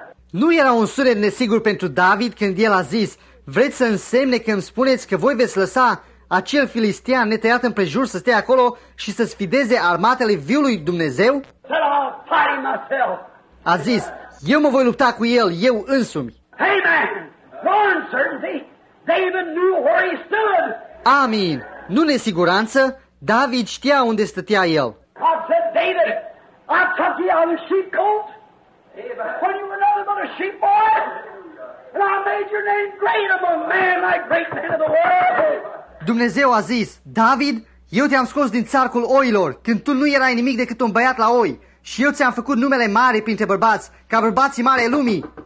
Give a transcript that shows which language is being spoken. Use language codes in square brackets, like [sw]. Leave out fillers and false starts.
[ro] Nu era un sunet nesigur pentru David când el a zis, vreți să însemne că îmi spuneți că voi veți lăsa acel filistean netăiat împrejur să stea acolo și să sfideze armatele viului Dumnezeu? [en] Said, I'll fight him myself. [ro] A zis, eu mă voi lupta cu el, eu însumi. [en] Amen! No uncertainty! David knew where he stood! [ro] Amin! Nu nesiguranță! David știa unde stătea el. [en] God said, David, I took you out of the sheep colt when you were nothing but a sheep boy, and I made your name great among men like great men of the world. [ro] Dumnezeu a zis, David, eu te-am scos din țarcul oilor când tu nu erai nimic decât un băiat la oi și eu ți-am făcut numele mare printre bărbați, ca bărbații mari ai lumii.